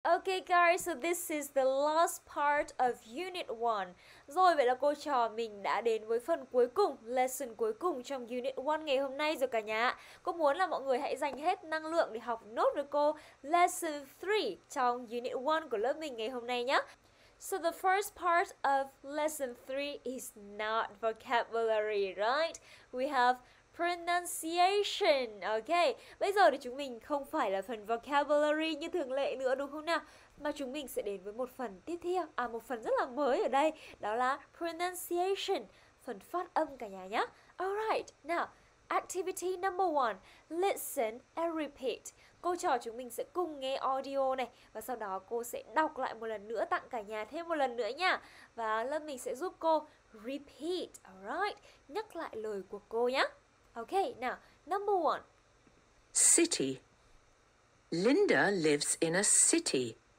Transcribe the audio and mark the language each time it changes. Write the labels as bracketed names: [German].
[English] Okay guys, so this is the last part of Unit 1. [Vietnamese] Rồi, vậy là cô trò mình đã đến với phần cuối cùng, lesson cuối cùng trong Unit 1 ngày hôm nay rồi cả nhà. Cô muốn là mọi người hãy dành hết năng lượng để học nốt với cô lesson 3 trong Unit 1 của lớp mình ngày hôm nay nhé. [English] So the first part of lesson 3 is not vocabulary, right? We have pronunciation, okay. [Vietnamese] Bây giờ thì chúng mình không phải là phần vocabulary như thường lệ nữa đúng không nào? Mà chúng mình sẽ đến với một phần tiếp theo, à một phần rất là mới ở đây, đó là pronunciation, phần phát âm cả nhà nhé. [English] Alright, now, activity number one, listen and repeat. [Vietnamese] Cô trò chúng mình sẽ cùng nghe audio này và sau đó cô sẽ đọc lại một lần nữa tặng cả nhà thêm một lần nữa nha. Và lớp mình sẽ giúp cô repeat, alright, nhắc lại lời của cô nhé. [English] Okay, now, number one. City. Linda lives in a city.